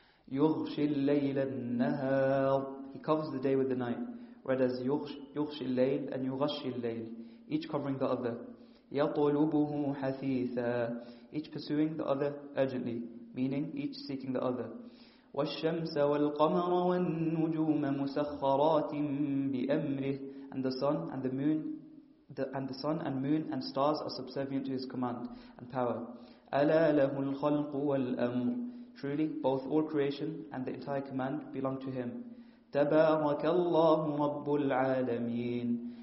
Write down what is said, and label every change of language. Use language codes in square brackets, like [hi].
[ar] يغشي الليل النهار. [en] He covers the day with the night, whereas [ar] يغشي الليل [en] and يغشي الليل, each covering the other. [ar] يطلبه حثيثا, [en] each pursuing the other urgently, meaning each seeking the other. [ar] والشمس والقمر والنجوم مسخرات بأمره. [en] And the sun and the moon, the sun and moon and stars are subservient to His command and power. [ar] ألا له الخلق والأمر. [en] Truly, both all creation and the entire command belong to Him. [ar] تبارك الله رب العالمين.